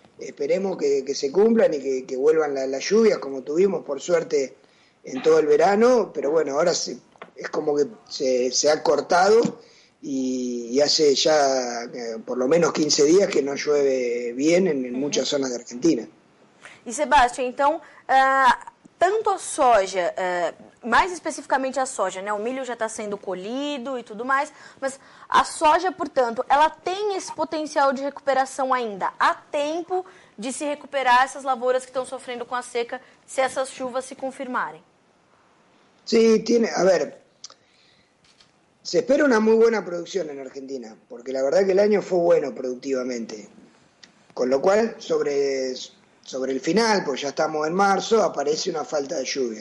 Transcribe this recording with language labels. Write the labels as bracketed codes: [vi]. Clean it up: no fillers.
[es] Esperemos que se cumplan y que vuelvan las lluvias como tuvimos, por suerte, en todo el verano, pero bueno, ahora es como que se ha cortado y hace ya por lo menos 15 días que no llueve bien en muchas zonas de Argentina. Y Sebastián, entonces, [pt] tanto a soja, [es] más específicamente [pt] a soja, ¿no? O milho [es] ya está siendo [pt] colhido [es] y todo más, [pt] mas a soja, portanto, ¿ela tem [es] ese potencial de recuperación [pt] ainda? ¿Há tempo de se recuperar essas lavouras que estão sofrendo com a seca, se essas chuvas se confirmarem? [es] Sí, se espera una muy buena producción en Argentina, porque la verdad que el año fue bueno productivamente. Con lo cual, sobre el final, pues ya estamos en marzo, aparece una falta de lluvia.